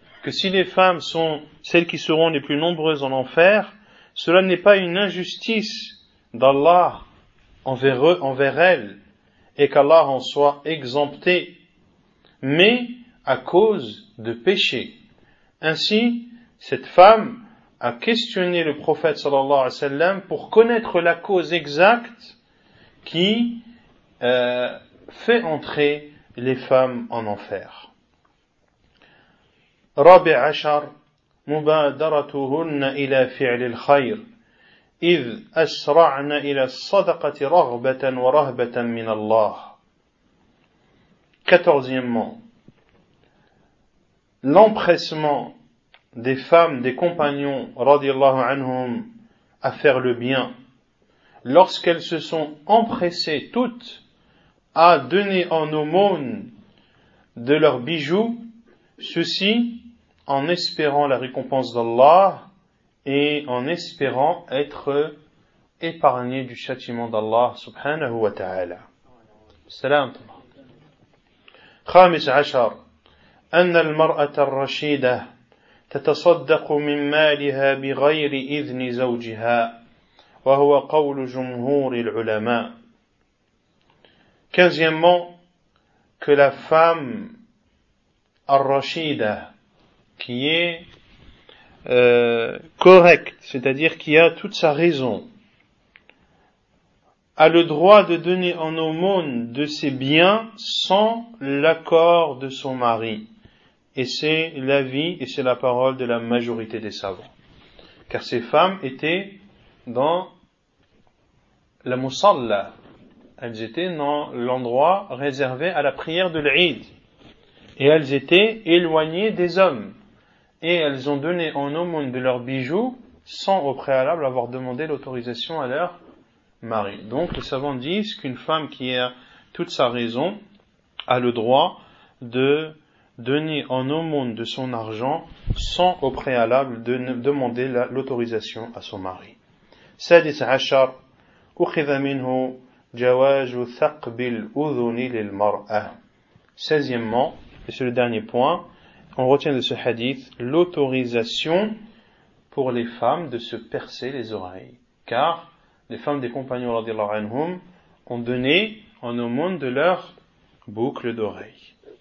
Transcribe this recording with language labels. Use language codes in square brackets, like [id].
[fr] Que si les femmes sont celles qui seront les plus nombreuses en enfer, cela n'est pas une injustice d'Allah envers eux, envers elles, et qu'Allah en soit exempté, mais à cause de péché. Ainsi, cette femme a questionné le prophète sallallahu alayhi wa sallam pour connaître la cause exacte qui fait entrer les femmes en enfer. [ar] رابع عشر مبادرتهن إلى فعل الخير إذ أسرعن إلى الصدقة رغبة ورهبة من الله. [fr] Quatorzièmement, l'empressement des femmes, des compagnons, radiallahu anhum, à faire le bien, lorsqu'elles se sont empressées toutes à donner en aumône de leurs bijoux, ceci en espérant la récompense d'Allah et en espérant être épargné du châtiment d'Allah subhanahu wa ta'ala. [ar] Salam. خامس عشر أن المرأة الرشيدة تتصدق من مالها بغير إذن زوجها وهو قول جمهور العلماء. [fr] Quinzièmement, que la femme الرشيدة, qui est correcte, c'est-à-dire qui a toute sa raison, a le droit de donner en aumône de ses biens sans l'accord de son mari. Et c'est l'avis et c'est la parole de la majorité des savants. Car ces femmes étaient dans la musalla. Elles étaient dans l'endroit réservé à la prière de l'Eid. Et elles étaient éloignées des hommes. Et elles ont donné en aumône de leurs bijoux sans au préalable avoir demandé l'autorisation à leur mari. Donc les savants disent qu'une femme qui a toute sa raison a le droit de donner en aumône de son argent sans au préalable de demander l'autorisation à son mari. [ar] سادس عشر أخذ منه جواز ثقب الأذن للمرأة. [fr] Seizièmement, et c'est le dernier point, on retient de ce hadith l'autorisation pour les femmes de se percer les oreilles. Car les femmes des compagnons radiallahu anhum ont donné en aumône de leurs boucles d'oreilles.